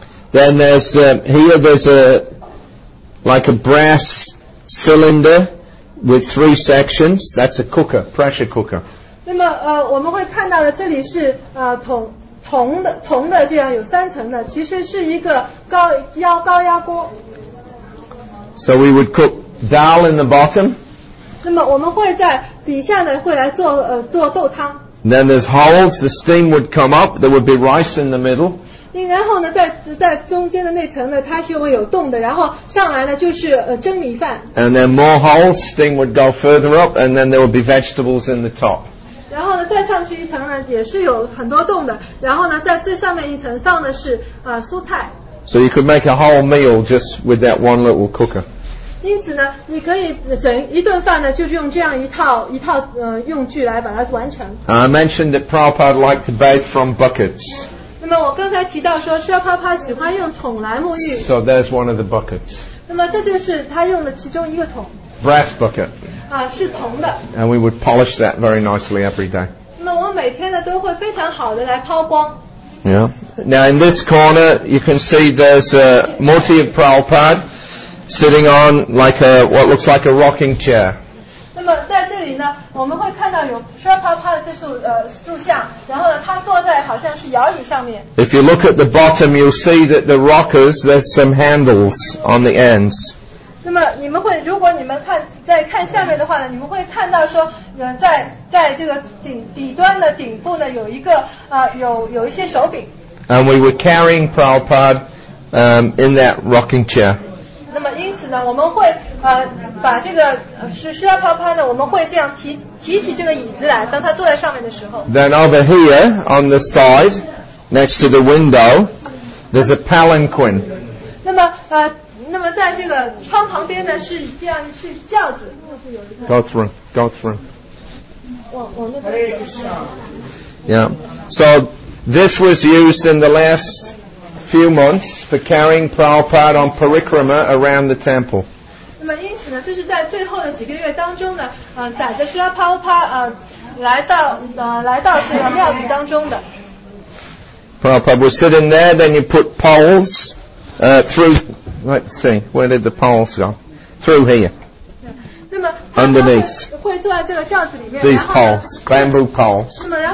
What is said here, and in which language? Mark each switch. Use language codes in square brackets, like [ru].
[en] Then there's, here there's a, like a brass cylinder with three sections. That's a cooker, pressure cooker. [zh] 那么我们会看到的这里是铜的这样有三层的，其实是一个高压锅。 [en] So we would cook dal in the bottom. [zh] 那么我们会在底下呢会来做豆汤。 [en] Then there's holes, the steam would come up, there would be rice in the middle. [zh] 然后呢 在中间的那层呢它是会有洞的然后上来呢就是蒸米饭 [en] And then more holes steam would go further up and then there would be vegetables in the top [zh] 然后呢再上去一层呢也是有很多洞的然后呢在最上面一层放的是蔬菜 [en] So you could make a whole meal just with that one little cooker [zh] 因此呢你可以整一顿饭呢就是用这样一套用具来把它完成 [en] I mentioned that Prabhupada liked to bathe from buckets [zh] 那么我刚才提到说，薛帕帕喜欢用桶来沐浴。 [en] So there's one of the buckets. [zh] 那么这就是他用的其中一个桶。 [en] Brass bucket. [zh] 是铜的。 [en] And we would polish that very nicely every day. [zh] 那么我每天呢都会非常好的来抛光。 [en] Yeah. Now in this corner, you can see there's a Murti of Prabhupada sitting on like a what looks like a rocking chair. [zh] 那么在这里呢，我们会看到有薛帕帕的这处塑像，然后呢，他坐在好像是摇椅上面。 [en] If you look at the bottom, you'll see that the rockers, there's some handles on the ends. [zh] 那么你们会，如果你们看下面的话呢，你们会看到说，在这个底端的顶部呢，有一个有一些手柄。 [en] And we were carrying Prabhupada, in that rocking chair. [zh] 那么因此呢我们会把这个是需要泡泡呢我们会这样提起这个椅子来当他坐在上面的时候 [en] Then over here on the side next to the window there's a palanquin [zh] 那么在这个窗旁边呢是这样是轿子 [en] Go through Yeah So this was used in the last few months for carrying Prabhupada on parikrama around the temple. [zh] 那么因此呢，就是在最后的几个月当中呢，载着Srila Prabhupada来到这个庙宇当中的。 [en] Prabhupada was sitting there. Then you put poles through. Let's see, where did the poles go? Through here. underneath these poles, bamboo poles.